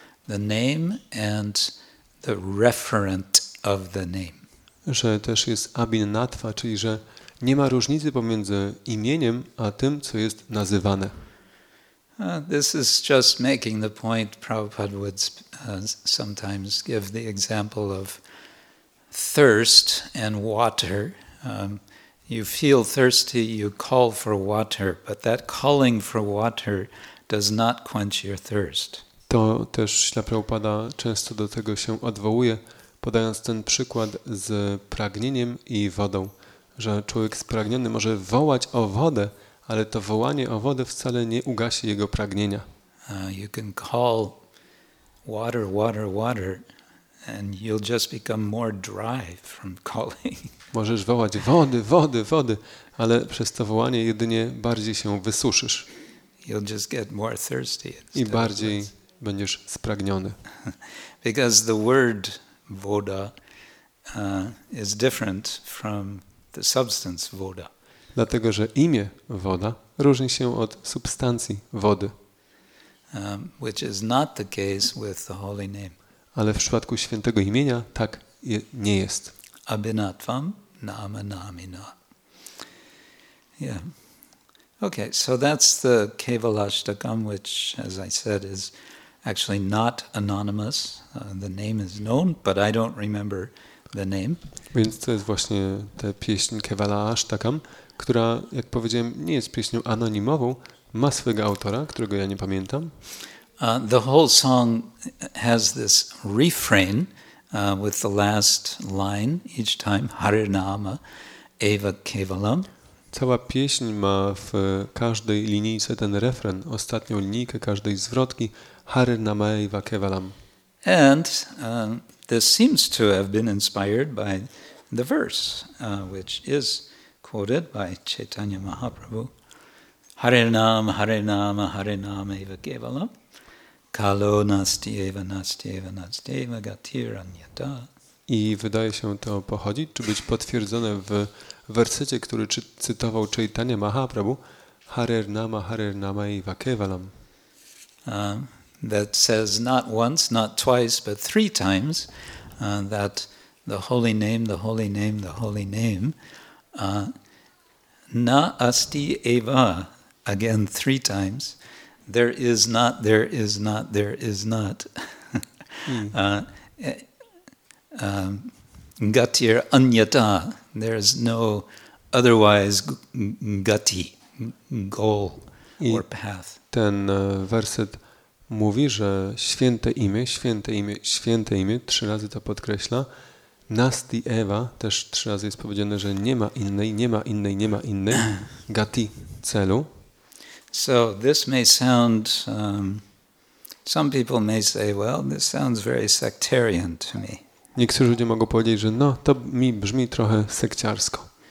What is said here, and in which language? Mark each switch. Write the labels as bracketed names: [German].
[English] the name and the referent of the name. [Polish] Że też jest abin natwa, czyli że nie ma różnicy pomiędzy imieniem a tym, co jest nazywane. [English] This is just making the point Prabhupada would sometimes give the example of thirst and water. You feel thirsty, you call for water, but that calling for water does not quench your thirst. [Polish] To też Śla Prabhupada często do tego się odwołuje, podając ten przykład z pragnieniem i wodą, że człowiek spragniony może wołać o wodę, ale to wołanie o wodę wcale nie ugasi jego pragnienia. [English] You can call water, water, water, and you'll just become more dry from calling. [Polish] Możesz wołać wody, wody, wody, ale przez to wołanie jedynie bardziej się wysuszysz. [English] You'll just get more thirsty. [Polish] I bardziej będziesz spragniony. [English] Because the word voda is different from the substance voda. [Polish] Dlatego, że imię woda różni się od substancji wody. [English] Which is not the case with the holy name. [Polish] Ale w przypadku świętego imienia tak nie jest. [Sanskrit] Abhinatvam nama namina. Yeah. [English] Okay, so that's the Kevalashtakam, which, as I said, is actually not anonymous. The name is known, but I don't remember the name. [Polish] Więc to jest właśnie ta pieśń Kevalashtakam, która, jak powiedziałem, nie jest pieśnią anonimową, ma swego autora, którego ja nie pamiętam. [English] The whole song has this refrain with the last line each time, Harinama Eva Kevalam. [Polish] Cała pieśń ma w każdej linijce ten refren, ostatnią linijkę każdej zwrotki, Harinama Eva Kevalam. [English] And this seems to have been inspired by the verse, which is quoted by Chaitanya Mahaprabhu. [Sanskrit] Harinam, Harinam, Harinam Eva Kevalam. Kalo nastieva, nastieva, nastieva, gatiranyata. [Polish] I wydaje się to pochodzić, czy być potwierdzone w wersecie, który cytował Chaitanya Mahaprabhu, [Sanskrit] Harirnama, Harirnama i Vakevalam. [English] That says not once, not twice, but three times that the holy name, the holy name, the holy name, [Sanskrit] na asti eva, [English] again three times, there is not, there is not, there is not. [Sanskrit] Gatir anyata, [English] there is no otherwise gati, goal or path. [Polish] Ten werset mówi, że święte imię, święte imię, święte imię, trzy razy to podkreśla. Nasti Eva, też trzy razy jest powiedziane, że nie ma innej, nie ma innej, nie ma innej gati, celu. [English] So this may sound, some people may say, well, this sounds very sectarian to me. [Polish] Niektórzy ludzie mogą powiedzieć, że no, to mi brzmi trochę sekciarsko.